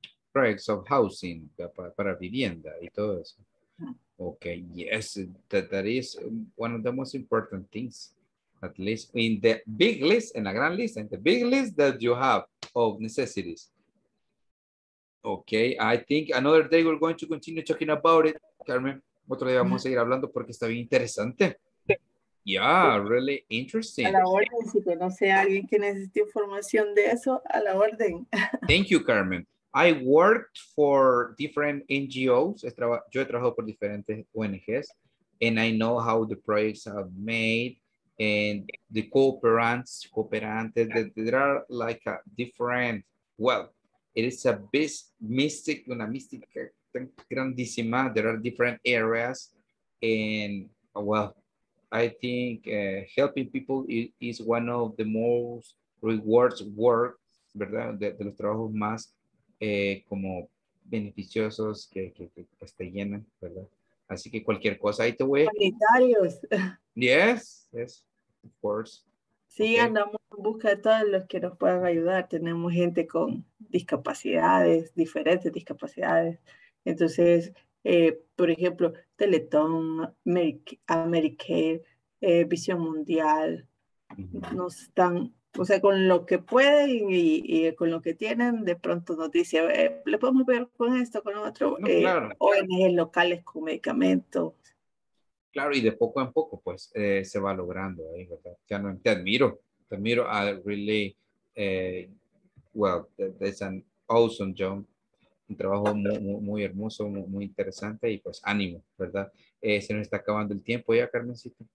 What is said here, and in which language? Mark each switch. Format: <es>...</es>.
<en>Projects of housing</en> <es>para vivienda y todo eso.</es> <en>Okay, yes, that is one of the most important things, at least in the big list, in a grand list, and the big list that you have of necessities. Okay, I think another day we're going to continue talking about it, Carmen.</en> <es>Otro día vamos a seguir hablando porque está bien interesante.</es> <en>Yeah, really interesting.</en> <es>A la orden, si conoce a alguien que necesite información de eso, a la orden.</es> <en>Thank you, Carmen. I worked for different NGOs.</en> <es>Yo he trabajado por diferentes ONGs.</es> <en>And I know how the projects are made. and the cooperants, there are like a different, well, it is a big mystic,</en> <es>una mística grandísima.</es> <en>There are different areas, and well, I think helping people is one of the most rewards work, ¿verdad?</en> <es>De los trabajos más como beneficiosos que te llenan, ¿verdad? Así que cualquier cosa ahí te voy. Sanitarios.</es> <en>Yes, yes, of course.</en> <es>Sí, okay. Andamos en busca de todos los que nos puedan ayudar. Tenemos gente con discapacidades, diferentes discapacidades. Entonces, por ejemplo, Teletón, Americare, Visión Mundial, nos están, o sea, con lo que pueden y con lo que tienen, de pronto nos dice, ¿le podemos ver con esto, con lo otro? No, claro. ONGs locales con medicamentos. Claro, y de poco en poco, pues, se va logrando, ¿eh? ¿Verdad? Ya no, te admiro,</es> <en>I really, well, that's an awesome job.</en> <es>Un trabajo muy hermoso, muy interesante y pues ánimo, ¿verdad? Se nos está acabando el tiempo ya, Carmencita.</es>